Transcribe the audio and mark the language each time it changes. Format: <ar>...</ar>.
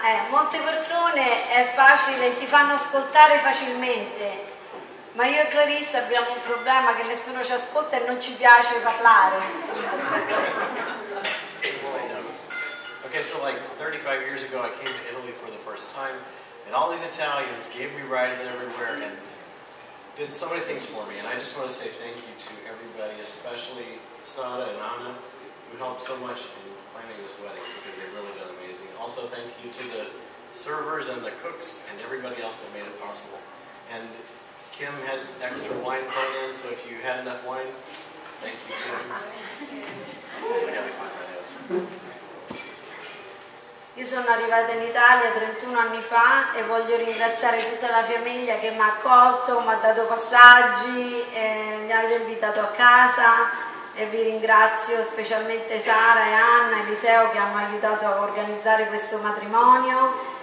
<it>Molte persone è facile, si fanno ascoltare facilmente, ma io e Clarissa abbiamo un problema che nessuno ci ascolta e non ci piace parlare.</it> <en>Okay, so like 35 years ago I came to Italy for the first time, and all these Italians gave me rides everywhere and did so many things for me, and I just want to say thank you to everybody, especially Sara and Anna, who helped so much in planning this wedding, because they've really done amazing. Also thank you to the servers and the cooks and everybody else that made it possible. And Kim had extra wine coming in, so if you had enough wine, thank you, Kim.</en> <it>Io sono arrivata in Italia 31 anni fa e voglio ringraziare tutta la famiglia che mi ha accolto, mi ha dato passaggi, e mi ha invitato a casa. E vi ringrazio specialmente Sara e Anna e Eliseo che hanno aiutato a organizzare questo matrimonio.</it>